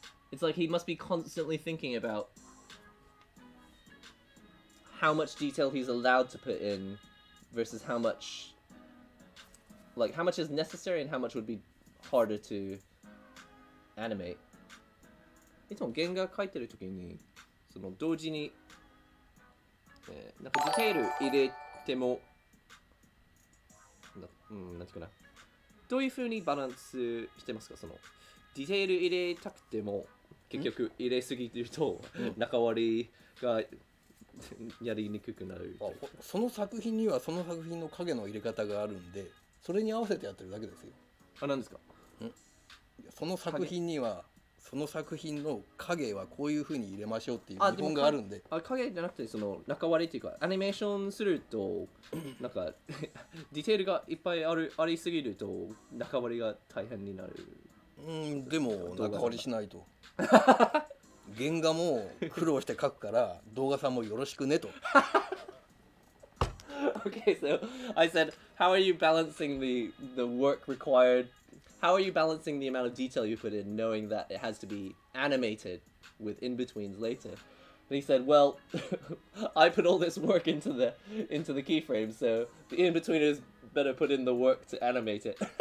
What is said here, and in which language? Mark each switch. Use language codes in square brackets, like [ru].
[en] It's like he must be constantly thinking about how much detail he's allowed to put in versus how much, like, how much is necessary and how much would be harder to animate. [ja] いつも原画描いてる時に、その同時に、なんかディテール入れても、なんていうかな、どういうふうにバランスしてますか、そのディテール入れたくても結局入れすぎると中割りがやりにくくなる。あ、その作品にはその作品の影の入れ方があるんで、それに合わせてやってるだけですよ。あ、なんですか。ん、その作品にはその作品の影はこういうふうに入れましょうっていう基本があるんで。あ、影じゃなくてその中割りっていうか、アニメーションするとなんかディテールがいっぱいありすぎると中割りが大変になる。でも中割りしないと原画も苦労して描くから動画さんもよろしくねと [en] Okay, so I said, how are you balancing the work required? How are you balancing the amount of detail you put in, knowing that it has to be animated with in-betweens later? And he said, well, I put all this work into the keyframe, so the in-betweeners better put in the work to animate it.